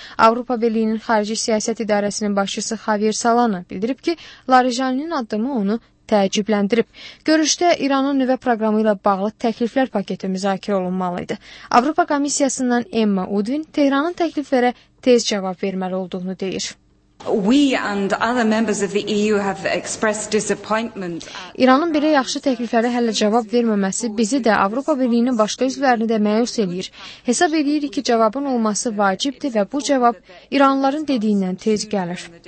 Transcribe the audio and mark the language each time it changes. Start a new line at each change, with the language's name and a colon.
Azerbaijani: Avropa Birliyinin Xarici Siyasət İdarəsinin başçısı Xavier Salana bildirib ki, Laricani'nin addımı onu təəccübləndirib. Görüşdə İranın nüvə proqramı ilə bağlı təkliflər paketi müzakirə olunmalıydı. Avropa Komissiyasından Emma Udvin Tehranın təkliflərə tez cavab verməli olduğunu deyir.
English: We and other members of the EU have expressed disappointment.
Azerbaijani: İranın belə yaxşı təkliflərə hələ cavab verməməsi bizi də Avropa Birliyinin başqa üzvlərini də məyus edir. Hesab edirik ki, cavabın olması vacibdir və bu cavab İranlıların dediyindən tez gəlir.